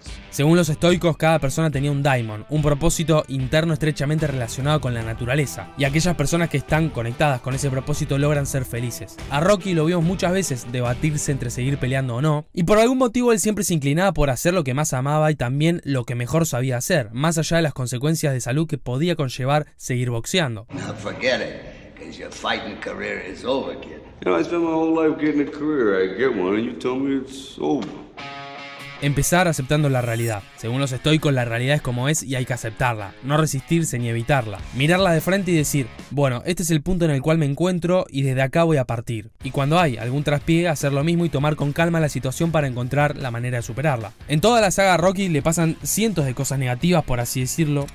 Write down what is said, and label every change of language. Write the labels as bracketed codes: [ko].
[es] Según los estoicos, cada persona tenía un daimon, un propósito interno estrechamente relacionado con la naturaleza, y aquellas personas que están conectadas con ese propósito logran ser felices. A Rocky lo vimos muchas veces debatirse entre seguir peleando o no, y por algún motivo él siempre se inclinaba por hacer lo que más amaba y también lo que mejor sabía hacer, más allá de las consecuencias de salud que podía conllevar seguir boxeando. [en] No, forget it, because your fighting career is over, kid. You know, I spent my whole life getting a career, I get one, and you tell me it's over. [es] Empezar aceptando la realidad. Según los estoicos, la realidad es como es y hay que aceptarla, no resistirse ni evitarla. Mirarla de frente y decir, bueno, este es el punto en el cual me encuentro y desde acá voy a partir. Y cuando hay algún traspié, hacer lo mismo y tomar con calma la situación para encontrar la manera de superarla. En toda la saga Rocky le pasan cientos de cosas negativas, por así decirlo.